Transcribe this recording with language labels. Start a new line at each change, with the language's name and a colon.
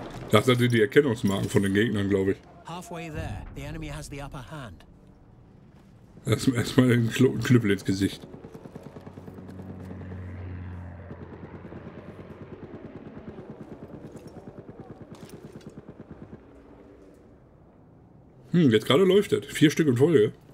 German: Das sind die Erkennungsmarken von den Gegnern, glaube ich.
English: Halfway there, the enemy has the upper hand.
German: Erstmal einen Knüppel ins Gesicht. Jetzt gerade läuft das. 4 Stück in Folge.